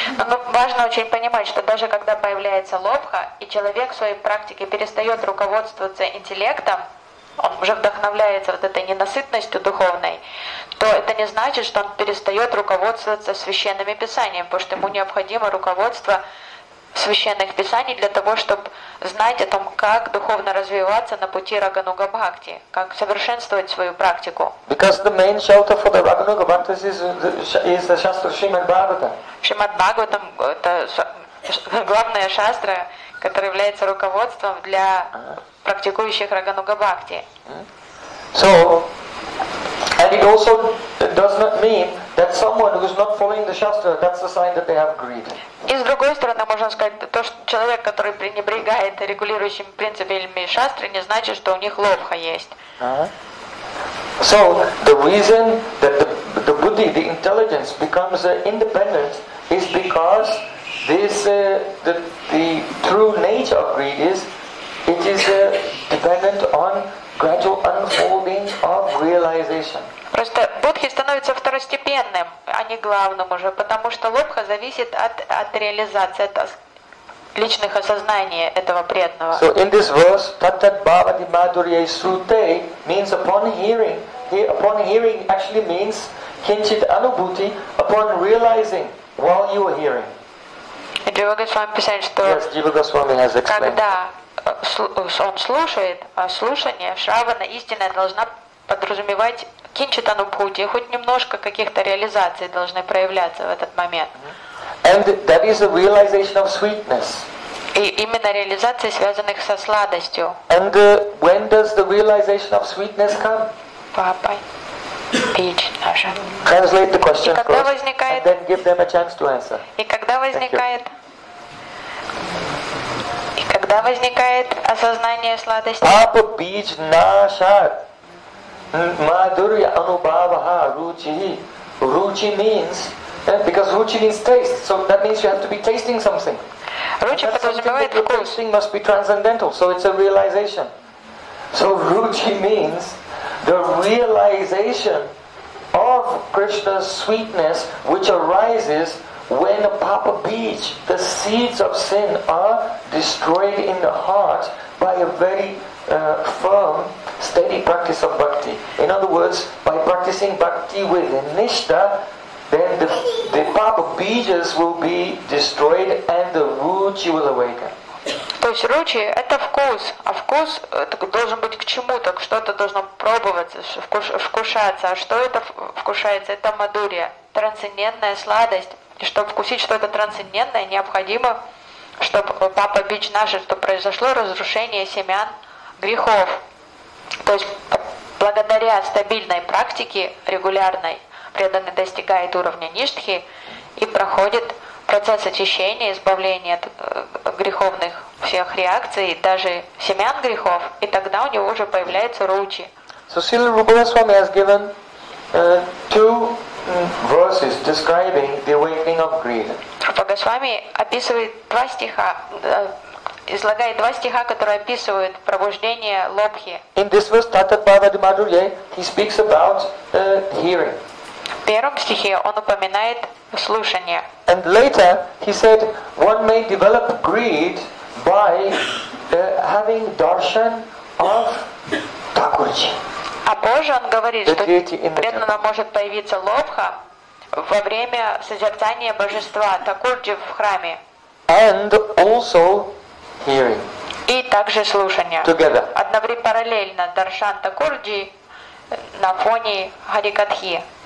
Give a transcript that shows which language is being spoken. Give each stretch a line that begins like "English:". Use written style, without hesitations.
Russian: Но важно очень понимать, что даже когда появляется лобха и человек в своей практике перестает руководствоваться интеллектом, он уже вдохновляется вот этой ненасытностью духовной, то это не значит, что он перестает руководствоваться священными писаниями, потому что ему необходимо руководство священных писаний для того, чтобы знать о том, как духовно развиваться на пути Рагануга Бхакти, как совершенствовать свою практику.
English: Because the main shelter for the Рагануга Бхакти is the Shastra Shrimad Bhagavatam.
Russian: Shrimad Bhagavatam – это главная шастра, которая является руководством для практикующих Рагануга Бхакти.
English: So, and it also does not mean that someone who is not following the shastra, that's a sign that they have greed.
Russian: И с другой стороны, можно сказать, то, что человек, который пренебрегает регулирующими принципами шастры, не значит, что у них лобха есть.
English: So, the reason that the buddhi, the intelligence, becomes independent is because this the true nature of greed is, it is dependent on gradual unfolding of realization.
Russian: Просто Лобха становится второстепенным, а не главным уже, потому что лобха зависит от реализации, от личных осознаний этого преданного.
English: So in this verse,
Sanskrit: Tatat Bhavati Madhurya Srute
English: means upon hearing. Upon hearing actually means Kinchit Anubhuti, upon realizing while you are hearing.
Russian: Джива Госвами писает, что
English: yes,
Russian: когда он слушает, а слушание Шравана истинное должна подразумевать кинчит анубхути, хоть немножко каких-то реализаций должны проявляться в этот момент.
English: And that is the realization of sweetness.
Russian: И именно реализация, связанных со сладостью.
English: And when does the realization of sweetness come?
Sanskrit: Папа.
English: Translate the question first,
Russian: возникает,
English: and then give them a chance to answer.
Russian: И когда возникает, осознание сладости.
Sanskrit: Папа бич нашат мадурья анубаваха ручи.
English: Ручи means, because ручи means taste, so that means you have to be tasting something.
Russian: Ручи подразумевает вкус.
English: Tasting must be transcendental, so it's a realization. So ruchi means the realization of Krishna's sweetness, which arises when a papa bij, the seeds of sin, are destroyed in the heart by a very firm, steady practice of bhakti. In other words, by practicing bhakti with nishtha, then the papa bijas will be destroyed and the ruchi will awaken.
Russian: То есть ручи – это вкус, а вкус должен быть к чему-то, что-то должно пробоваться, вкушаться. А что это вкушается? Это мадурья, трансцендентная сладость. И чтобы вкусить что-то трансцендентное, необходимо, чтобы папа бич наши, чтобы произошло разрушение семян грехов. То есть благодаря стабильной практике, регулярной, преданный достигает уровня ништхи и проходит процесс очищения, избавления от греховных всех реакций, даже семян грехов, и тогда у него уже появляются ручи.
English: So Srila Rupa Goswami has given two verses describing the awakening of greed.
Russian: Rupa Goswami описывает два стиха, излагает два стиха, которые описывают пробуждение лобхи.
English: In this verse,
Sanskrit: Tathat Bhavati Madhurya,
English: he speaks about hearing.
Russian: В первом стихе он упоминает слушание.
English: And later he said one may develop greed by having darshan of Thakurji.
Russian: А позже он говорит, что преданно может появиться лобха во время созерцания божества Такурджи в храме.
English: And also hearing.
Russian: И также слушание.
English: Together.
Russian: Одновременно параллельно даршан Такурджи на фоне Харикатхи.